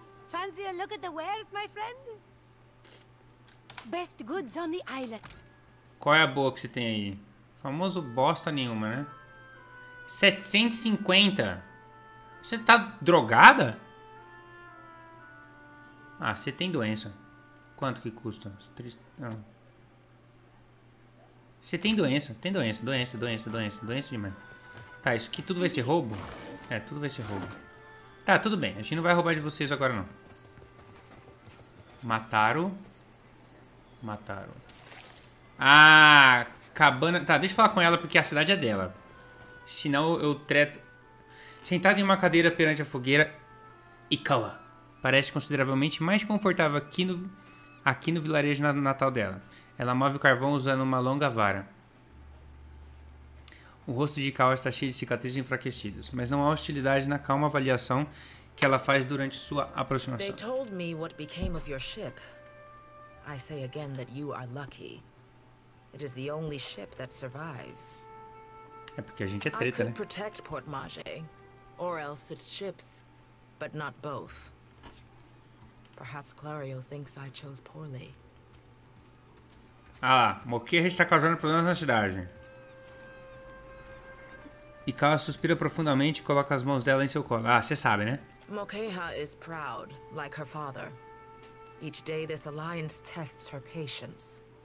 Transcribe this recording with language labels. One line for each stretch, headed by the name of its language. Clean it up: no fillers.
English: Fancy a look at the wares, my friend? Best goods on the island.
Portuguese: Qual é a boa que você tem aí? Famoso bosta nenhuma, né? 750. Você tá drogada? Ah, você tem doença. Quanto que custa? Não. Você tem doença. Tem doença, doença, doença, doença. Doença demais. Tá, isso aqui tudo vai ser roubo? É, tudo vai ser roubo. Tá, tudo bem. A gente não vai roubar de vocês agora, não. Mataram. Ah, cabana. Tá, deixa eu falar com ela, porque a cidade é dela. Senão eu treto. Sentado em uma cadeira perante a fogueira. Ikawa. Parece consideravelmente mais confortável aqui no vilarejo natal dela. Ela move o carvão usando uma longa vara. O rosto de Ikawa está cheio de cicatrizes enfraquecidas, mas não há hostilidade na calma avaliação que ela faz durante sua aproximação.
English: They told me what became of your ship. I say again that you are lucky. It is the only ship that survives.
Portuguese: É porque a gente é treta, né?
English: I could protect Port Maje, or else its ships, but not both. Perhaps Clario thinks I chose poorly.
Portuguese: Ah, Mokir está causando problemas na cidade. E Kawa suspira profundamente e coloca as mãos dela em seu colo. Ah, você sabe, né?
English: Mokeha is proud, like her father. Each day this alliance tests her patience.